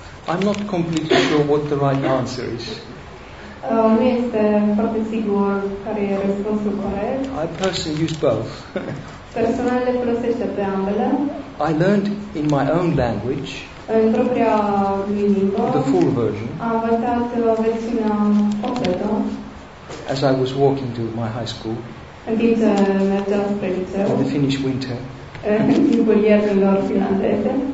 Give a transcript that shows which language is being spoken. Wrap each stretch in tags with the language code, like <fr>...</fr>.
<en>I'm not completely sure what the right answer is.</en> <ro>Nu este foarte sigur care e răspunsul corect.</ro> <en>I personally use both.</en> <ro>Personal le folosește pe ambele.</ro> <en>I learned in my own language.</en> <ro>În propria limbă.</ro> <en>The full version.</en> <ro>Am învățat versiunea completă.</ro> <en>As I was walking to my high school.</en> <ro>În timp ce mergeam spre liceu.</ro> <en>In the Finnish winter.</en> <ro>În timpul iernilor finlandeze.</ro>